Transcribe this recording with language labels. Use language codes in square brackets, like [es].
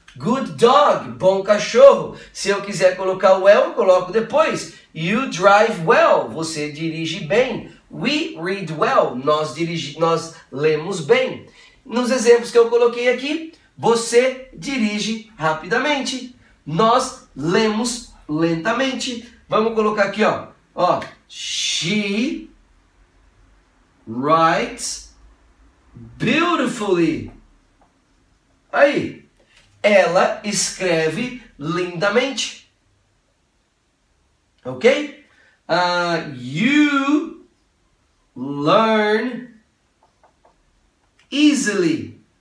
[en] Good dog, [pt] bom cachorro. Se eu quiser colocar well, eu coloco depois. [en] You drive well, [pt] você dirige bem. [en] We read well, [pt] nós lemos bem. Nos exemplos que eu coloquei aqui, você dirige rapidamente. Nós lemos lentamente. Vamos colocar aqui, ó. [en] Ó, she writes beautifully. [pt] Aí, ela escreve lindamente. Ok? [en] You learn easily.